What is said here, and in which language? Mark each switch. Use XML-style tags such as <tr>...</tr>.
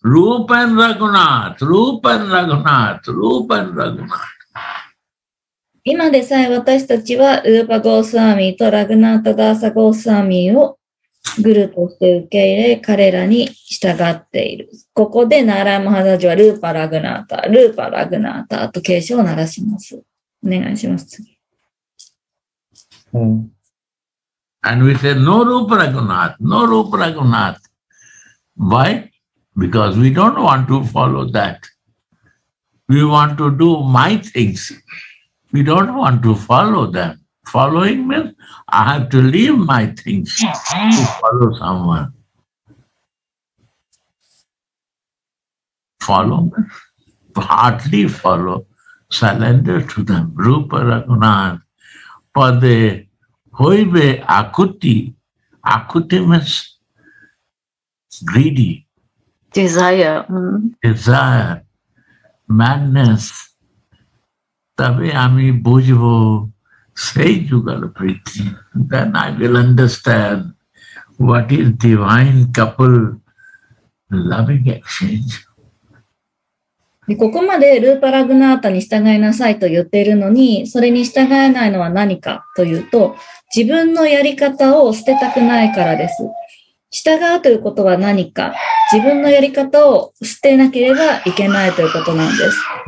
<en>Rupa and Raghunath, Rupa and Raghunath, Rupa and Raghunath.</en> <ja>今でさえ私たちはウーパゴーサーミーとラグナータダーサゴーサーミーをグルとして受け入れ、彼らに従っている。ここでナーラマハダジはルーパラグナータ、ルーパラグナータと警鐘を鳴らします。お願いします。次。</ja> <en>And we say, no Rupa Raghunath, no Rupa Raghunath. Why? Because we don't want to follow that. We want to do my things. We don't want to follow them. Following means I have to leave my things to follow someone. Follow me. Hardly follow. Surrender to them.</en> <bn>Rupa Raghunath. Pade. Hoibe akuti.</bn> <en>Akuti means greedy. Desire. Desire. Madness.</en> <bn>Tabe ami bojibo. Sei jugalo priti.</bn> <en>Then I will understand what is divine couple loving exchange.</en> <ja>でここまでルーパラグナータに従いなさいと言っているのに、それに従えないのは何かというと、自分のやり方を捨てたくないからです。従うということは何か、自分のやり方を捨てなければいけないということなんです。</ja>